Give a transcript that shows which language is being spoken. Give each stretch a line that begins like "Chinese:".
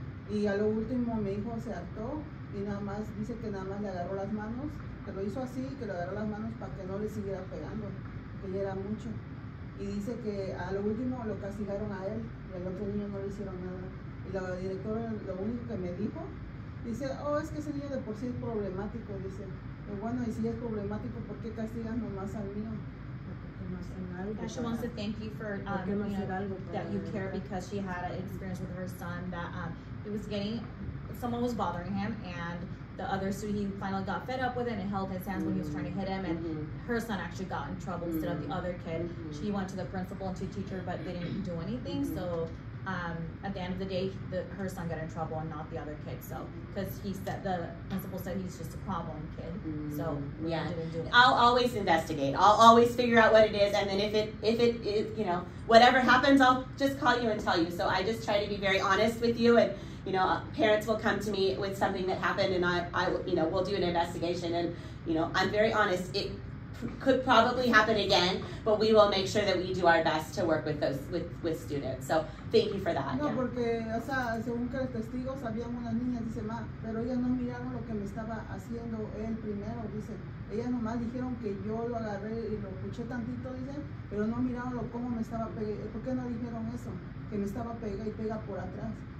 Spanish: Y a lo último mi hijo se hartó y nada más, dice que nada más le agarró las manos, que lo hizo así, que le agarró las manos para que no le siguiera pegando, que ya era mucho. Y dice que a lo último lo castigaron a él, y al otro niño no le hicieron nada. Y la directora lo único que me dijo, dice, oh, es que ese niño de por sí es problemático, dice. Bueno, y si es problemático, ¿por qué castigas nomás al mío?
English: She wants to thank you for that you care, because she had an experience with her son that someone was bothering him, and the other student, he finally got fed up with it and held his hands when he was trying to hit him, and her son actually got in trouble instead of the other kid. She went to the principal and to the teacher, but they didn't do anything. At the end of the day, her son got in trouble and not the other kid. So, because he said, the principal said he's just a problem kid. So, yeah. Didn't do it. I'll always investigate. I'll always figure out what it is. And then if it is, you know, whatever happens, I'll just call you and tell you. So I just try to be very honest with you. And, you know, parents will come to me with something that happened and I you know, we'll do an investigation. And, you know, I'm very honest. It could probably happen again, but we will make sure that we do our best to work with those with students. So thank you for that. No, yeah.
Spanish: Porque, o sea, según que los testigos habían unas niñas, dice, ma, pero ellas no miraron lo que me estaba haciendo él primero, dice. Ellas nomás dijeron que yo lo agarré y lo escuché tantito, dice, pero no miraron lo cómo me estaba pegando. ¿Por qué no dijeron eso? Que me estaba pega y pega por atrás.